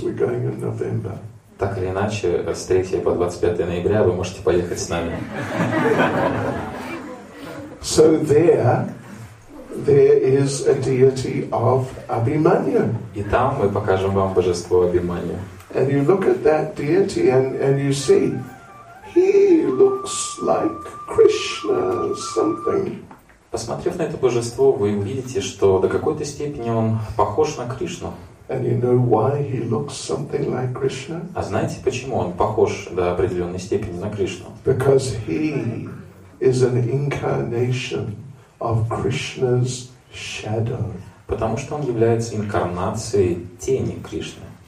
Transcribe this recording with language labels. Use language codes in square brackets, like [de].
[en] We're going in November. [ru] Так или иначе, с 3 по 25 ноября вы можете поехать с нами. [en] So there. There is a deity of Abhimanyu. [ru] И там мы покажем вам божество Абхиманью. [en] And you look at that deity and you see, he looks like Krishna something. [ru] Посмотрев на это божество, вы увидите, что до какой-то степени он похож на Кришну. [en] And you know why he looks something like Krishna? [ru] А знаете, почему он похож до определенной степени на Кришну? [en] Because he is an incarnation of Krishna's shadow. [ru] Потому что он является инкарнацией тени Кришны.